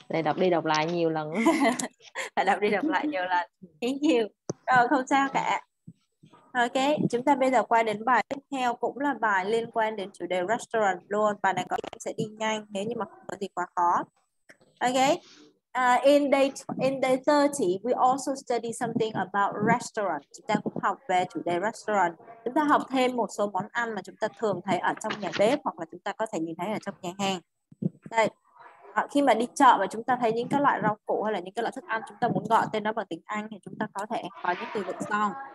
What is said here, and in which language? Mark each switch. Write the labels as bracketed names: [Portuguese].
[Vietnamese] Để đọc đi đọc lại nhiều lần. Phải đọc đi đọc lại nhiều lần. [English] Thank you. [Vietnamese] Rồi không sao cả. Ok, chúng ta bây giờ qua đến bài tiếp theo, cũng là bài liên quan đến chủ đề restaurant luôn. Bài này có em sẽ đi nhanh nếu như mà không có gì quá khó. Ok. [English] In day 30, we also study something about restaurant. [Vietnamese] Chúng ta cũng học về chủ đề restaurant. Chúng ta học thêm một số món ăn mà chúng ta thường thấy ở trong nhà bếp hoặc là chúng ta có thể nhìn thấy ở trong nhà hàng. Đây, khi mà đi chợ mà chúng ta thấy những cái loại rau củ hay là những cái loại thức ăn chúng ta muốn gọi tên nó bằng tiếng Anh thì chúng ta có thể có những từ vựng sau.